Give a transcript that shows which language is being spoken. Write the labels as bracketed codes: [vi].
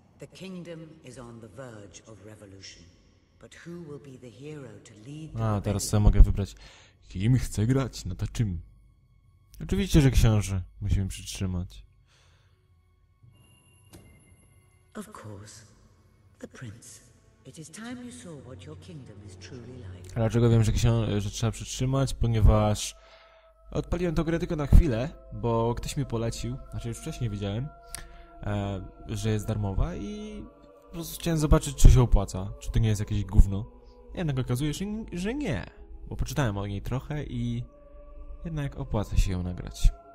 [en] The kingdom is on the verge of revolution. But who will be the hero to lead the rebellion? [pl] A teraz sobie mogę wybrać, kim chcę grać, no to czym? Oczywiście, że książę musimy przytrzymać. [en] Of course, the prince. It is time you saw what your kingdom is truly like. [pl] A dlaczego wiem, że trzeba przytrzymać? Ponieważ odpaliłem tę grę tylko na chwilę, bo ktoś mi polecił, znaczy już wcześniej wiedziałem, że jest darmowa i po prostu chciałem zobaczyć, czy się opłaca, czy to nie jest jakieś gówno. Jednak okazuje się, że nie, bo poczytałem o niej trochę i jednak opłaca się ją nagrać.